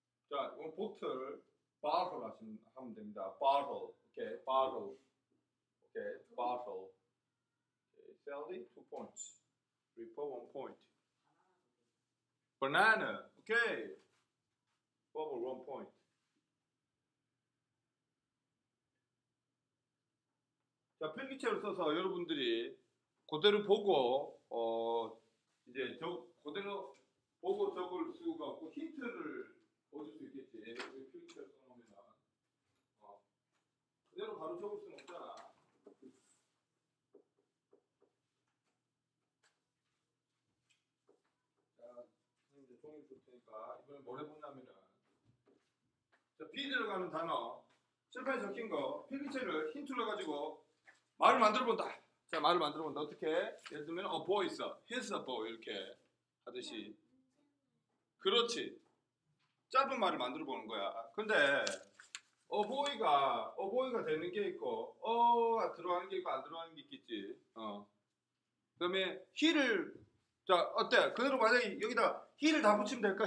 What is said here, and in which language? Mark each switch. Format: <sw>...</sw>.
<ko>자, 이건 bottle, bottle 하시면 됩니다.</ko> <en>Bottle, okay, bottle, okay, bottle. Okay, Sally, 2 points. Ripper, 1 point. Banana, okay. Bubble, 1 point.</en> <ko>자, 필기체를 써서 여러분들이 그대로 보고 이제 저 그대로 보고 적을 수가 없고 힌트를 얻을 수 있겠지. 필기체를 써놓으면 그대로 바로 적을 수는 없잖아. 자, 선생님 이제 종이 줄 테니까 이번에 뭘 해보냐면은 자, B 들어가는 단어 실패 적힌 거 필기체를 힌트를 가지고 말을 만들어 본다. 자, 말을 만들어 본다. 어떻게? 예를 들면</ko> <en>a boy is a, he's a boy</en> <ko>이렇게 하듯이. 그렇지. 짧은 말을 만들어 보는 거야. 근데 어보이가 되는 게 있고 어가 들어가는 게 있고 안 들어가는 게 있겠지. 그다음에 히를 자 어때? 그대로 만약에 여기다 히를 다 붙이면 될까?</ko>